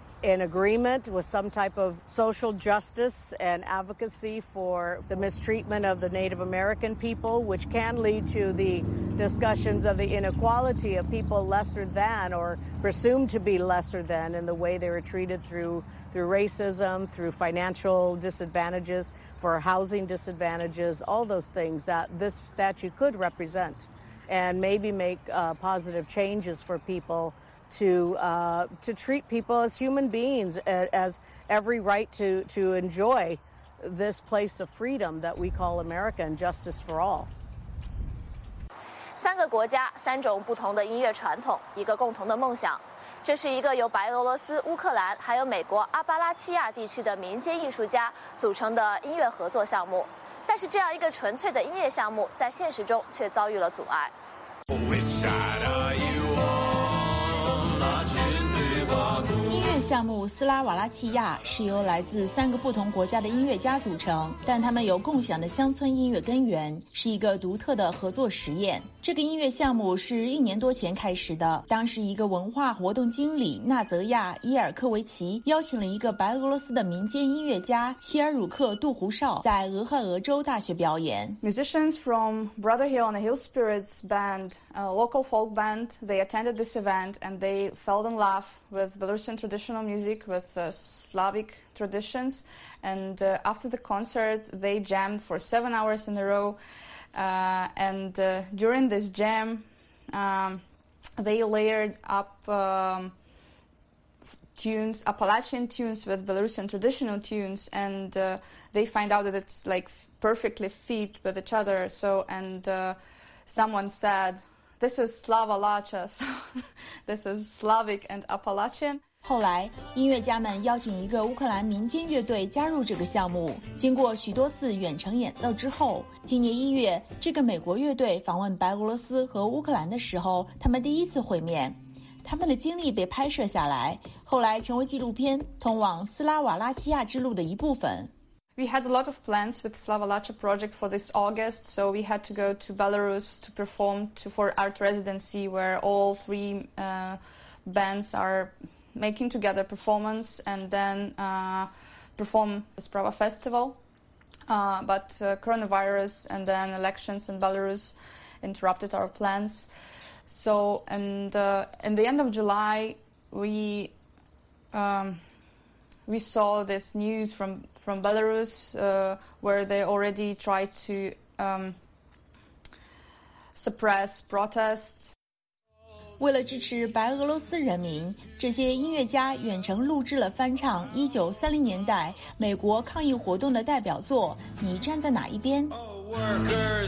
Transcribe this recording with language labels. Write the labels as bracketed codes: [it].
[en] in agreement with some type of social justice and advocacy for the mistreatment of the Native American people, which can lead to the discussions of the inequality of people lesser than or presumed to be lesser than in the way they were treated through racism, through financial disadvantages, for housing disadvantages, all those things that this statue could represent and maybe make positive changes for people to treat people as human beings, as every right to enjoy this place of freedom that we call America and justice for all. [zh] 三个国家，三种不同的音乐传统，一个共同的梦想。这是一个由白俄罗斯、乌克兰还有美国阿巴拉契亚地区的民间艺术家组成的音乐合作项目。但是这样一个纯粹的音乐项目在现实中却遭遇了阻碍。音乐项目斯拉瓦拉契亚是由来自三个不同国家的音乐家组成，但他们有共享的乡村音乐根源，是一个独特的合作实验。这个音乐项目是一年多前开始的，当时一个文化活动经理纳泽亚·伊尔科维奇邀请了一个白俄罗斯的民间音乐家希尔鲁克·杜胡绍在俄亥俄州大学表演。 [en] Musicians from Brother Hill and Hill Spirits band, a local folk band, they attended this event and they fell in love with Belarusian traditional music, with Slavic traditions, and after the concert they jammed for 7 hours in a row. During this jam, they layered up tunes, Appalachian tunes with Belarusian traditional tunes, and they find out that it's like perfectly fit with each other. So, and someone said, this is Slavalacha, so this is Slavic and Appalachian. [zh] 后来，音乐家们邀请一个乌克兰民间乐队加入这个项目。经过许多次远程演奏之后，今年一月，这个美国乐队访问白俄罗斯和乌克兰的时候，他们第一次会面。他们的经历被拍摄下来，后来成为纪录片《通往斯拉瓦拉契亚之路》的一部分。 [en] We had a lot of plans with Slavalacha project for this August, so we had to go to Belarus to perform for art residency, where all three bands are making together performance and then perform the Sprava festival. But coronavirus and then elections in Belarus interrupted our plans. So, and in the end of July, we saw this news from Belarus, where they already tried to suppress protests. [zh] 为了支持白俄罗斯人民，这些音乐家远程录制了翻唱1930年代美国抗议活动的代表作《你站在哪一边》。